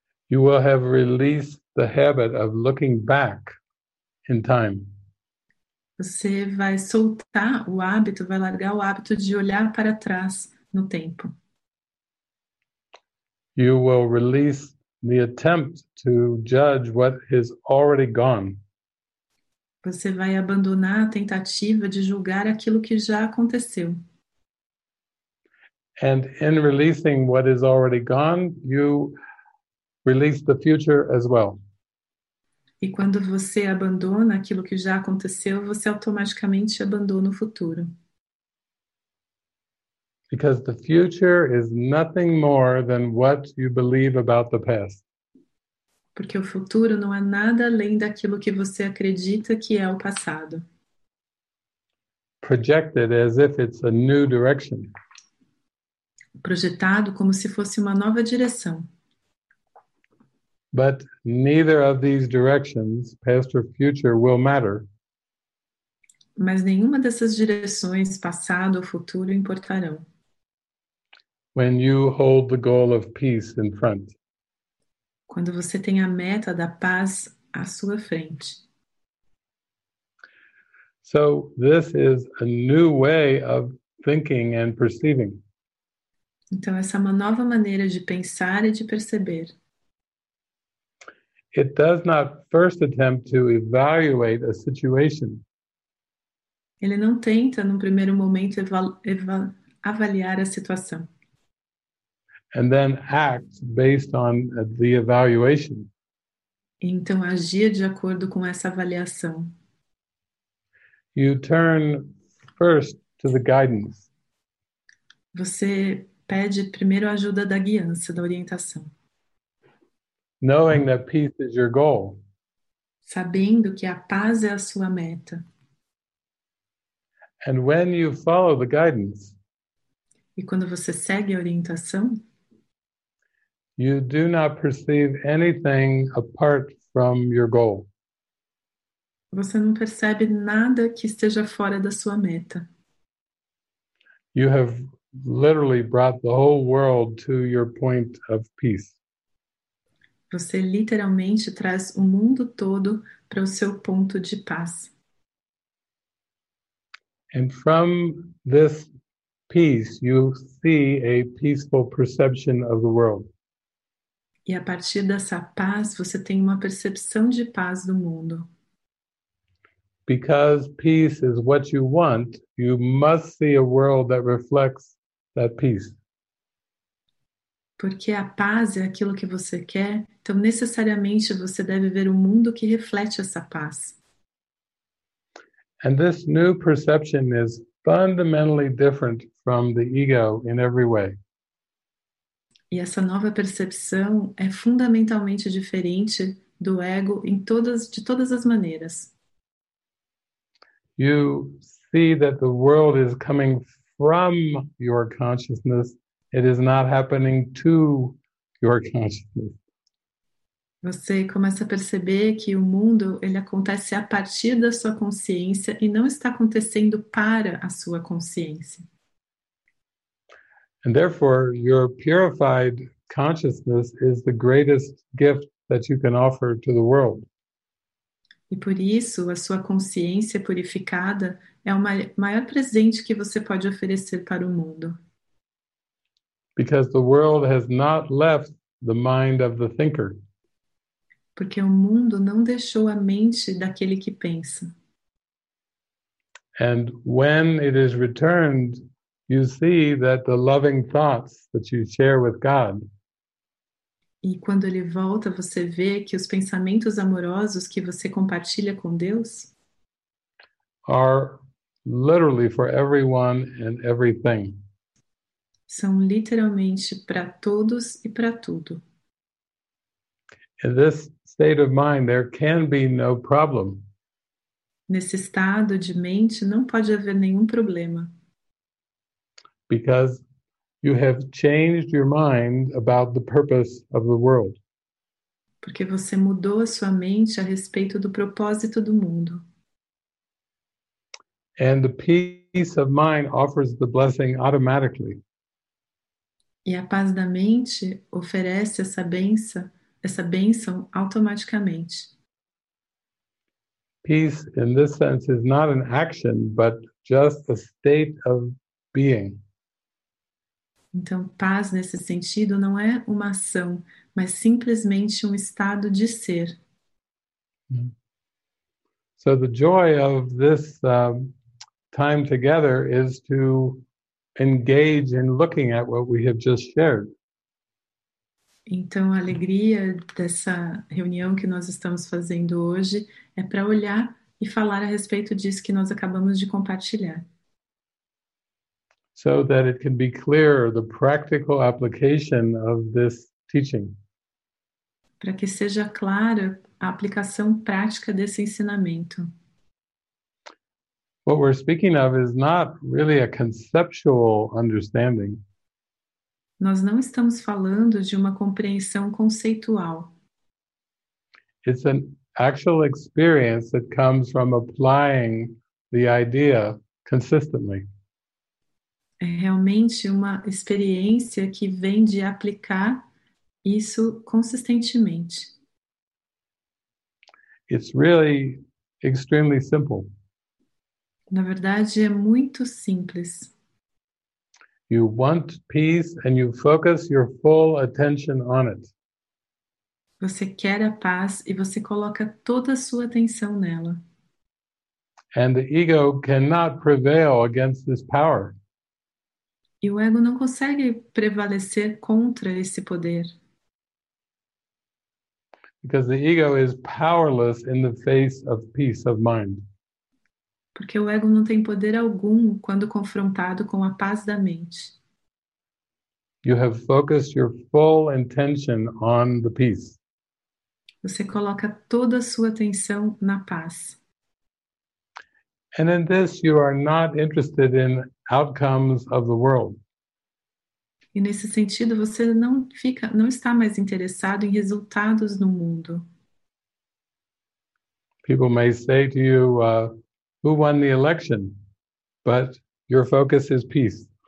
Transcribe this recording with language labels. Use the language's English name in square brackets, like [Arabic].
[English] You will have released the habit of looking back in time. [Portuguese] Você vai soltar o hábito, vai largar o hábito de olhar para trás no tempo. [English] You will release the attempt to judge what is already gone. [Portuguese] Você vai abandonar a tentativa de julgar aquilo que já aconteceu. [English] And in releasing what is already gone, you release the future as well. [Portuguese] E quando você abandona aquilo que já aconteceu, você automaticamente abandona o futuro. [English] Because the future is nothing more than what you believe about the past. [Portuguese] Porque o futuro não é nada além daquilo que você acredita que é o passado. [English] Projected as if it's a new direction. [Portuguese] Projetado como se fosse uma nova direção. [English] But neither of these directions, past or future, will matter. [Portuguese] Mas nenhuma dessas direções, passado ou futuro, importarão. [English] When you hold the goal of peace in front. [Portuguese] Quando você tem a meta da paz à sua frente. [English] So this is a new way of thinking and perceiving. [Portuguese] Então essa é uma nova maneira de pensar e de perceber. [English] It does not first attempt to evaluate a situation. [Portuguese] Ele não tenta, num primeiro momento, avaliar a situação. [English] And then act based on the evaluation. [Portuguese] Então, agir de acordo com essa avaliação. [English] You turn first to the guidance. [Portuguese] Você pede primeiro a ajuda da guiança, da orientação. [English] Knowing that peace is your goal. [Portuguese] Sabendo que a paz é a sua meta. [English] And when you follow the guidance. [Portuguese] E quando você segue a orientação. [English] You do not perceive anything apart from your goal. [Portuguese] Você não percebe nada que esteja fora da sua meta. [English] You have literally brought the whole world to your point of peace. [Portuguese] Você literalmente traz o mundo todo para o seu ponto de paz. [English] And from this peace, you see a peaceful perception of the world. [Portuguese] E a partir dessa paz, você tem uma percepção de paz do mundo. [English] Because peace is what you want, you must see a world that reflects that peace. [Portuguese] Porque a paz é aquilo que você quer, então necessariamente você deve ver um mundo que reflete essa paz. [English] And this new perception is fundamentally different from the ego in every way. [Portuguese] E essa nova percepção é fundamentalmente diferente do ego em todas, de todas as maneiras. [English] You see that the world is coming from your consciousness. It is not happening to your consciousness. [Portuguese] Você começa a perceber que o mundo ele acontece a partir da sua consciência e não está acontecendo para a sua consciência. [English] And therefore, your purified consciousness is the greatest gift that you can offer to the world. [Portuguese] E por isso, a sua consciência purificada é o maior presente que você pode oferecer para o mundo. [English] Because the world has not left the mind of the thinker. [Portuguese] Porque o mundo não deixou a mente daquele que pensa. [English] And when it is returned, you see that the loving thoughts that you share with God. [Portuguese] E quando ele volta, você vê que os pensamentos amorosos que você compartilha com Deus [English] are literally for everyone and everything. [Portuguese] São literalmente para todos e para tudo. [English] In this state of mind, there can be no problem. [Portuguese] Nesse estado de mente, não pode haver nenhum problema. [English] Because you have changed your mind about the purpose of the world. [Portuguese] Porque você mudou a sua mente a respeito do propósito do mundo. [English] And the peace of mind offers the blessing automatically. [Portuguese] E a paz da mente oferece essa bênção automaticamente. [English] Peace in this sense is not an action, but just a state of being. [Portuguese] Então, paz nesse sentido não é uma ação, mas simplesmente um estado de ser. [English] So the joy of this time together is to engage in looking at what we have just shared. [Portuguese] Então, a alegria dessa reunião que nós estamos fazendo hoje é para olhar e falar a respeito disso que nós acabamos de compartilhar. [English] So that it can be clear the practical application of this teaching. [Portuguese] Para que seja clara a aplicação prática desse ensinamento. [English] What we're speaking of is not really a conceptual understanding. [Portuguese] Nós não estamos falando de uma compreensão conceitual. [English] It's an actual experience that comes from applying the idea consistently. [Portuguese] É realmente uma experiência que vem de aplicar isso consistentemente. [English] It's really extremely simple. [Portuguese] Na verdade, é muito simples. [English] You want peace and you focus your full attention on it. [Portuguese] Você quer a paz e você coloca toda a sua atenção nela. [English] And the ego cannot prevail against this power. [Portuguese] E o ego não consegue prevalecer contra esse poder. [English] Because the ego is powerless in the face of peace of mind. [Portuguese] Porque o ego não tem poder algum quando confrontado com a paz da mente. [English] You have focused your full intention on the peace. [Portuguese] Você coloca toda a sua atenção na paz. [English] And in this, you are not interested in outcomes of the world. [Portuguese] E nesse sentido, você não está mais interessado em resultados no mundo. [English] People may say to you, who won the election? But your focus is peace.